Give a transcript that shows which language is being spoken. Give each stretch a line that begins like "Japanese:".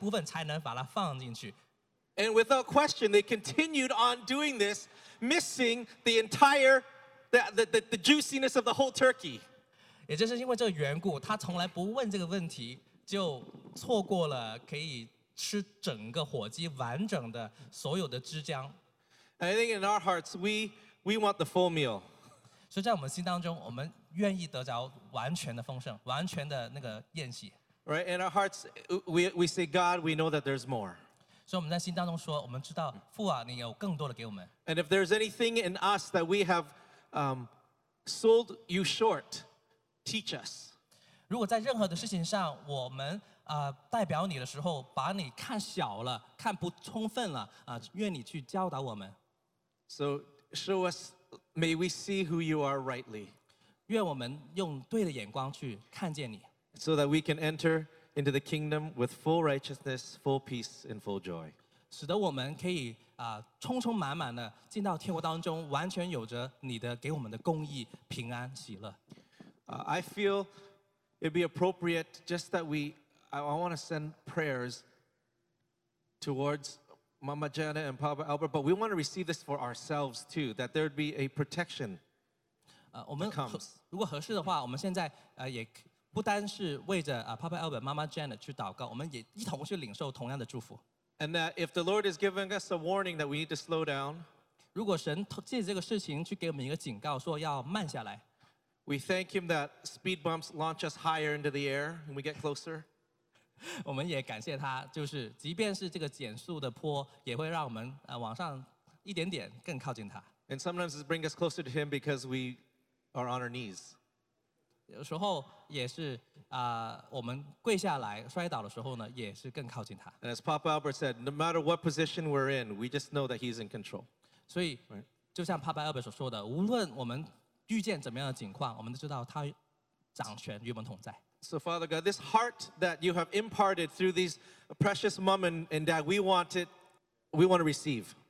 Chinese: 真正的原因是这样，因为祖母那个年代那个烤箱不够大，所以她总是要把头跟尾巴切掉一部分才能把它放进去。
English: And without question, they continued on doing this, missing the entire the juiciness of the whole turkey.
Chinese: 也正是因为这个缘故，她从来不问这个问题，就错过了可以吃整个火鸡完整的所有的汁浆。
English: And I think in our hearts, we want the full meal.
Chinese: 所以在我们心当中，我们愿意得着完全的丰盛，完全的那个宴席。
English: Right, in our hearts, we say, God, we know that there's more.
Chinese: 所以我们在心当中说，我们知道父啊，你有更多的给我们。
English: And if there's anything in us that we have sold you short, teach us.
Chinese: 如果在任何的事情上，我们 代表你的时候，把你看小了，看不充分了，愿你去教导我们。
English: So show us, may we see who you are rightly.
Chinese: 愿我们用对的眼光去看见你。
English: So that we can enter into the kingdom with full righteousness, full peace, and full joy.
Chinese: 使得我们可以 充满满的进到天国当中，完全有着你的给我们的公义、平安、喜乐。
English: I feel it'd be appropriate just that we. I want to send prayers towards Mama Jana and Papa Albert, but we want to receive this for ourselves too, that there'd be a protection that comes.
Chinese: 如果合适的话，我们现在也不单是为着 Papa Albert, Mama Jana去祷告，我们也一同去领受同样的祝福。
English: And that if the Lord is giving us a warning that we need to slow down,
Chinese: 如果神借这个事情去给我们一个警告，说要慢下来。
English: We thank him that speed bumps launch us higher into the air and we get closer.
Chinese: 我们也感谢他，就是即便是这个减速的坡，也会让我们往上一点点更靠近他。
English: And sometimes it brings us closer to him because we are on our knees.
Chinese: 有时候也是我们跪下来摔倒的时候呢，也是更靠近他。
English: And as Papa Albert said, no matter what position we're in, we just know that he's in control.
Chinese: 所以就像 Papa Albert 所说的，无论我们
English: So Father God, this heart that you have imparted through these precious mom and dad, we want to receive.